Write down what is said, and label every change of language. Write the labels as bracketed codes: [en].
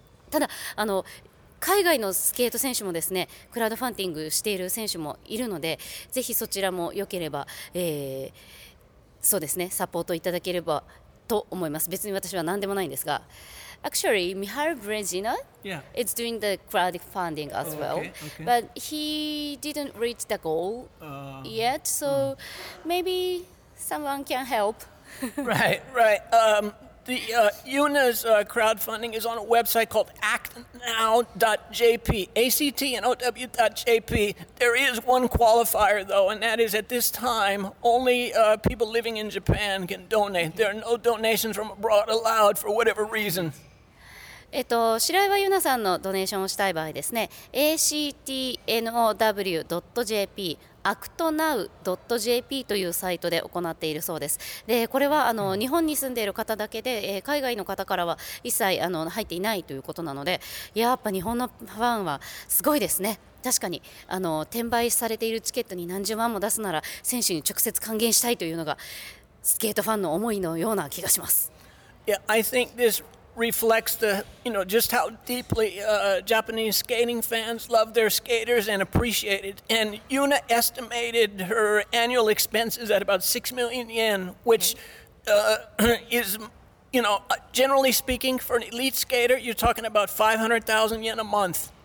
[ja] ただ海外のスケート選手もですねクラウドファンディングしている選手もいるのでぜひそちらもよければ、そうですねサポートいただければと思います。別に私は何でもないんですが [en] Actually, Mihara Brezina is doing the crowdfunding as well. Okay, okay. But he didn't reach the goal yet, so maybe someone can help. Right, right. The Yuna's crowdfunding is on a website called actnow.jp, actnow.jp. There is one qualifier, though, and that is at this time, only people living in Japan can donate. There are no donations from abroad allowed for whatever reason. [ja] 白岩優奈さんのドネーションをしたい場合ですね actnow.jp actnow.jp というサイトで行っているそうです。でこれは日本に住んでいる方だけで、海外の方からは一切入っていないということなのでやっぱ日本のファンはすごいですね。確かに転売されているチケットに何十万も出すなら選手に直接還元したいというのがスケートファンの思いのような気がします。 [en] Yeah, I think thisreflects the, you know, just how deeply Japanese skating fans love their skaters and appreciate it. And Yuna estimated her annual expenses at about 6 million yen, which is, generally speaking, for an elite skater, you're talking about 500,000 yen a month.